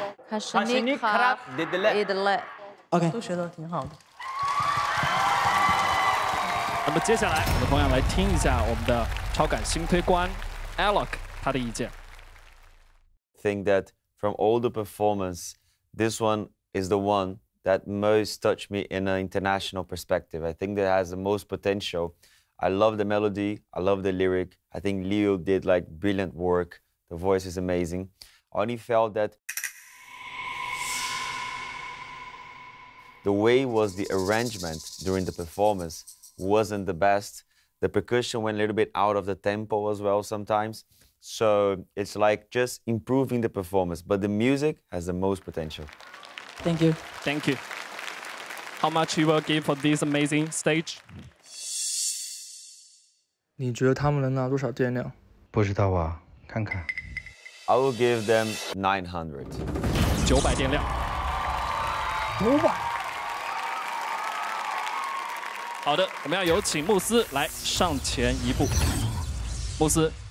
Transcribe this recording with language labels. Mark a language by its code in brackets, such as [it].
[zh] 卡辛尼卡拉迪德莱，卡辛尼卡拉迪德莱。OK， 都学得挺好的。那么接下来我们同样来听一下我们的超感新推官 Alok 他的意见。 [en] Think that from all the performance, this one is the one that most touched me in an international perspective. I think that has the most potential. I love the melody. I love the lyric. I think Leo did like brilliant work. The voice is amazing. I only felt that the way was the arrangement during the performance wasn't the best. The percussion went a little bit out of the tempo as well sometimes. So it's like just improving the performance, but the music has the most potential. Thank you. Thank you. How much you will give for this amazing stage? [zh] 你觉得他们能拿多少电量？不知道啊，看看。 [en] I will give them 900. [zh] 900电量。 900。好的，我们要有请穆斯来上前一步。穆斯。